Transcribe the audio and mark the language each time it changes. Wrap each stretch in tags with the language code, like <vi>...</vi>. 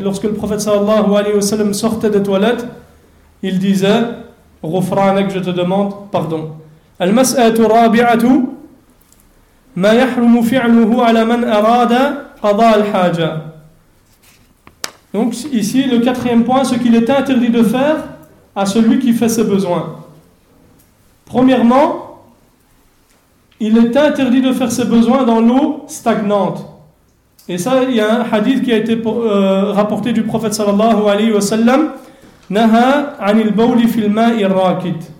<fr>Lorsque le prophète</fr> <ar>صلى الله عليه وسلم</ar> <fr>sortait des toilettes, il disait غفرانك, je te demande pardon.</fr> <ar>المسألة الرابعة ما يحرم فعله على من أراد قضاء الحاجة.</ar> <fr>Donc ici le quatrième point, ce qu'il est interdit de faire à celui qui fait ses besoins. Premièrement, il est interdit de faire ses besoins dans l'eau stagnante. Et ça, il y a un hadith qui a été rapporté du prophète</fr> <ar>sallallahu alayhi wa sallam, naha anil bawli fil ma'i rakit.</ar>